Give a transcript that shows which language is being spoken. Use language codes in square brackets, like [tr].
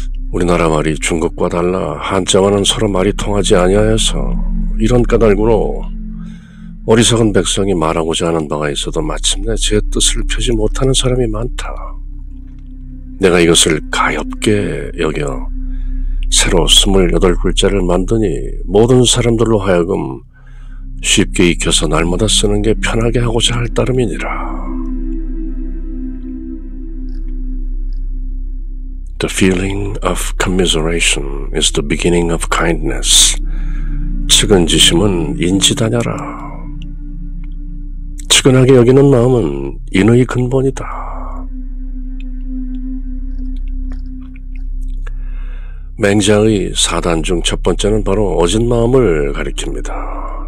[ko] 우리나라 말이 중국과 달라 한자와는 서로 말이 통하지 아니하여서 이런 까닭으로 어리석은 백성이 말하고자 하는 바가 있어도 마침내 제 뜻을 펴지 못하는 사람이 많다. 내가 이것을 가엽게 여겨 새로 28글자를 만드니 모든 사람들로 하여금 쉽게 익혀서 날마다 쓰는 게 편하게 하고자 할 따름이니라. [en] The feeling of commiseration is the beginning of kindness. [ko] 측은지심은 인지 다녀라. 측은하게 여기는 마음은 인의 근본이다. 맹자의 사단 중 첫 번째는 바로 어진 마음을 가리킵니다.